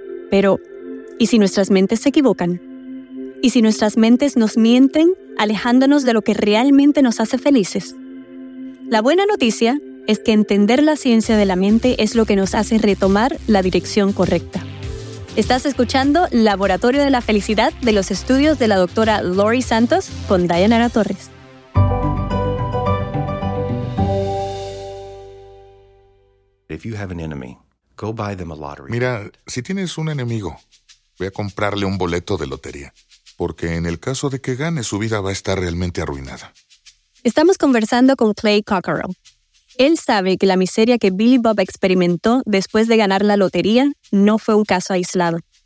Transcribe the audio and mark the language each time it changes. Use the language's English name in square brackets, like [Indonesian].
[Spanish] Pero, ¿y si nuestras mentes se equivocan? ¿Y si nuestras mentes nos mienten, alejándonos de lo que realmente nos hace felices? La buena noticia es que entender la ciencia de la mente es lo que nos hace retomar la dirección correcta. Estás escuchando Laboratorio de la Felicidad de los estudios de la doctora Lori Santos con Dayanara Torres. [English] If you have an enemy, go buy them a lottery. [Spanish] Mira, si tienes un enemigo, voy a comprarle un boleto de lotería, porque en el caso de que gane, su vida va a estar realmente arruinada. Estamos conversando con Clay Cockerell. Él sabe que la miseria que Billy Bob experimentó después de ganar la lotería no fue un caso aislado.